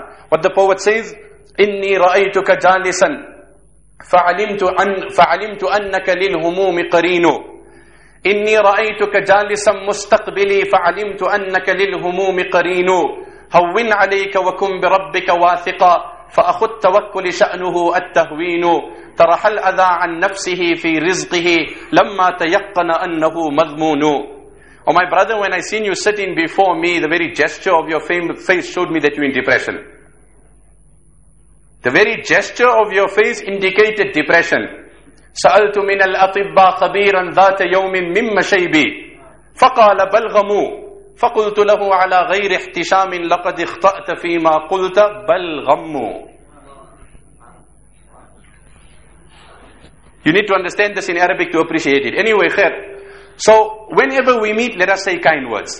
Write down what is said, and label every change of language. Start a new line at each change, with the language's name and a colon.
English: What the poet says,
Arabic: إِنِّي رَأَيْتُكَ جَالِسًا فَعَلِمْتُ أَنَّكَ لِلْهُمُومِ قَرِينُ إِنِّي رَأَيْتُكَ جَالِسًا مُسْتَقْبِلِي فَعَلِمْتُ أَنَّكَ لِلْهُمُومِ قَرِينُ هَوِّنْ عَلَيْكَ وَكُنْ بِرَبِّكَ وَاثِقًا فَأَخُذْ تَوَكُّلِ شَأْنُهُ التَّهْوِينُ ترحى الأذى عن نفسه في رزقه لما تيقن أنه مضمون.
English: Oh my brother, when I seen you sitting before me, the very gesture of your face showed me that you're in depression. The very gesture of your face indicated depression.
Arabic: سألت من الأطباء خبيرا ذات يوم مما شيبي فقال بل غمو فقلت له على غير احتشام لقد اخطأت فيما قلت بل غمو.
English: You need to understand this in Arabic to appreciate it. Anyway, khair. So, whenever we meet, let us say kind words.